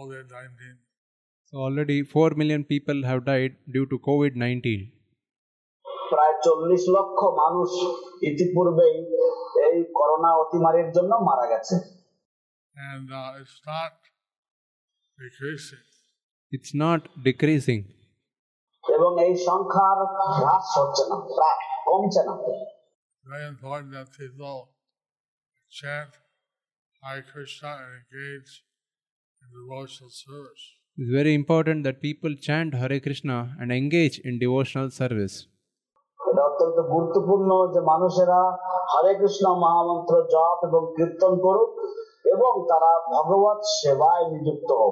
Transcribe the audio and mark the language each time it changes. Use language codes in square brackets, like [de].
[en] So already 4 million people have died due to COVID-19. [bn] প্রায় 40 লক্ষ মানুষ ইতিপূর্বেই এই করোনা অতিমারির জন্য মারা গেছে। [en] And it's not decreasing. It's not decreasing. [bn] এবং এই সংখ্যা হ্রাস হচ্ছে না, প্রায় কমছে না। [en] Very important that people chant Hare Krishna and engage in devotional service. It's very important that people chant Hare Krishna and engage in devotional service. [bn] গুরুত্বপূর্ণ যে মানুষেরা হরে কৃষ্ণ মহামন্ত্র জপ এবং কীর্তন করুক এবং তারা ভগবত সেবায় নিযুক্ত